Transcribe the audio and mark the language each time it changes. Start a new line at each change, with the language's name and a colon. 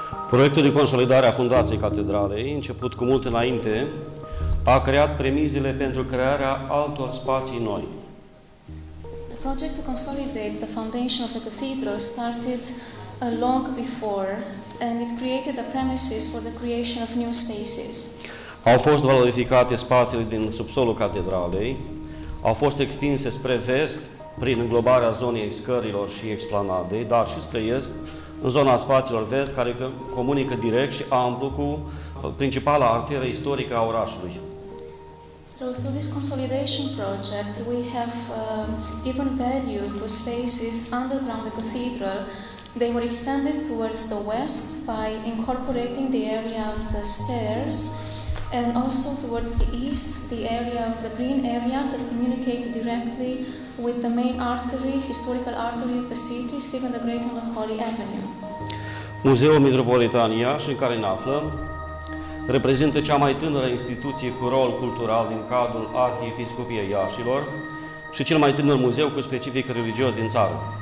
Romanian: Proiectul de consolidare a fundației catedralei, început cu mult înainte, a creat premizele pentru crearea altor spații noi.
English: The project to consolidate the foundation of the cathedral started long before and it created the premises for the creation of new spaces.
Romanian: Au fost valorificate spațiile din subsolul catedralei, au fost extinse spre vest prin înglobarea zonei scărilor și explanadei, dar și spre est, în zona spațiilor vest care comunică direct și amplu cu principala arteră istorică a orașului.
English: Through this consolidation project, we have given value to spaces underground the cathedral. They were extended towards the west by incorporating the area of the stairs and also towards the east, the area of the green areas that communicate directly with the main artery, historical artery of the city, Stephen the Great on the Holy Avenue.
Romanian: Muzeul Mitropolitan Iași, în care ne aflăm, reprezintă cea mai tânără instituție cu rol cultural din cadrul Arhiepiscopiei Iașilor și cel mai tânăr muzeu cu specific religios din țară.